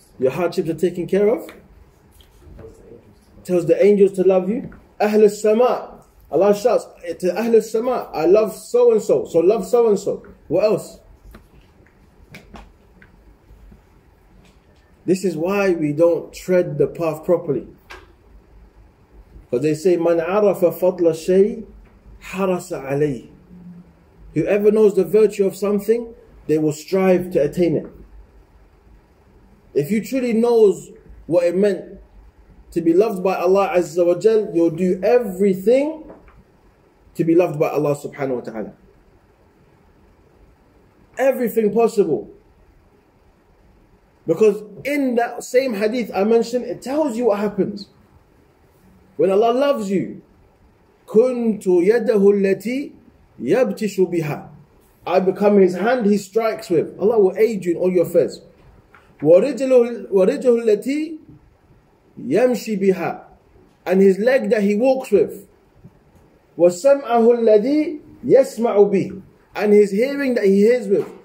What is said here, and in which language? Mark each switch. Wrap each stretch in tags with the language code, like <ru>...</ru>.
<en>Your hardships are taken care of? Tells the angels to love you.</en> <ar>أهل السماء.</ar> <en>Allah shouts to</en> <ar>أهل السماء,</ar> <en>I love so and so. So love so and so. What else? This is why we don't tread the path properly. But they say,</en> <ar>مَنْ عَرَفَ فَضْلَ الشَّيْءِ حَرَسَ عَلَيْهِ.</ar> <en>Whoever knows the virtue of something, they will strive to attain it. If you truly knows what it meant to be loved by Allah Azza wa Jal, you'll do everything to be loved by Allah subhanahu wa ta'ala. Everything possible. Because in that same hadith I mentioned, it tells you what happens. When Allah loves you,</en> <ar>كُنْتُ يَدَهُ الَّتِي يَبْتِشُ بِهَا.</ar> <en>I become his hand he strikes with. Allah will aid you in all your affairs.</en> <ar>وَرِجْلُهُ الَّتِي يَمْشِي بِهَا.</ar> <en>And his leg that he walks with.</en> <ar>وَسَمْعَهُ الَّذِي يَسْمَعُ بِهِ.</ar> <en>And his hearing that he hears with.</en>